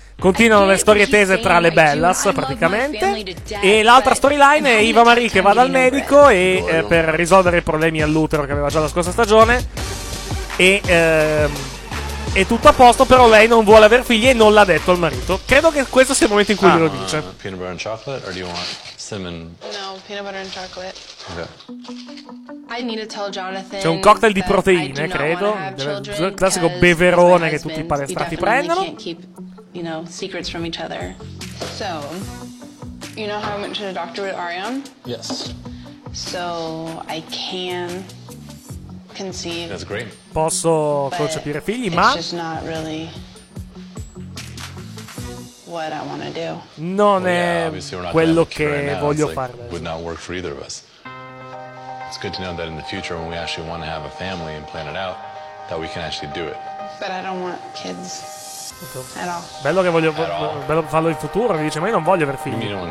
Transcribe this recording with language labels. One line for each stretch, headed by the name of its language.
Italian: Continuano le storie tese tra le Bellas, praticamente. E l'altra storyline è Eva Marie che va dal medico e per risolvere i problemi all'utero che aveva già la scorsa stagione. E è tutto a posto, però lei non vuole aver figli e non l'ha detto al marito. Credo che questo sia il momento in cui glielo dice.
English: Peanut butter and chocolate, or do you want cinnamon? No, peanut butter and chocolate. Okay. I need to tell Jonathan.
Italian: C'è un cocktail di proteine, credo. Il classico beverone che tutti i palestrati prendono.
English: You know, secrets from each other. So, you know how I went to the doctor with Ariane? Yes. So, I can conceive. That's great.
Italian: Posso concepire figli,
English: it's
Italian: ma...
English: It's just not really what I want to do.
Italian: Non è quello che voglio fare. It
English: would not work for either of us. It's good to know that in the future when we actually want to have a family and plan it out, that we can actually do it. But I don't want kids...
Italian: Bello che voglio bello farlo in futuro, mi dice, ma io non voglio aver figli.